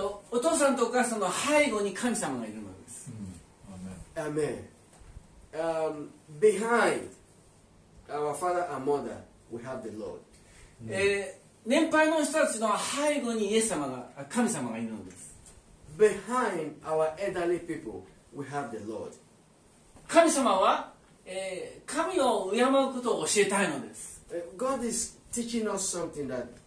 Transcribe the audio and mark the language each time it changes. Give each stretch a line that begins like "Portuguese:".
Japanese: お父さんとお母さんの背後に神様がいるのです。
English: Amen. Behind our father and mother, we have the Lord.
Japanese: 年配の人たちの背後にイエス様が、神様がいるのです。
English: Behind our elderly people, we have the Lord.
Japanese: 神様は、神を敬うことを教えたいのです。
English: God is teaching us something that,